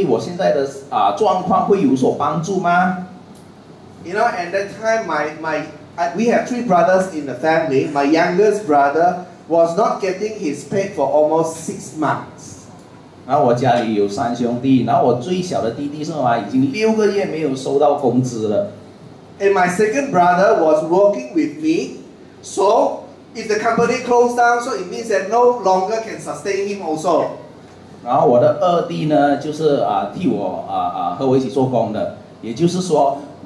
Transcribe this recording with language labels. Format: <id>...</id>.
<zh>然后我就问我自己，问问神，就是说，如果我继续的还是在那边读圣经的话，是吧？到底对我现在的状况会有所帮助吗？</zh> <en>You know, and that time, we have three brothers in the family. My youngest brother was not getting his pay for almost 6 months.</en> <zh>然后我家里有三兄弟，然后我最小的弟弟是吗？已经6个月没有收到工资了。</zh> <en>And my second brother was working with me, so if the company closed down, so it means that no longer can sustain him also.</en> <zh>然后我的二弟呢，就是替我和我一起做工的，也就是说。</zh>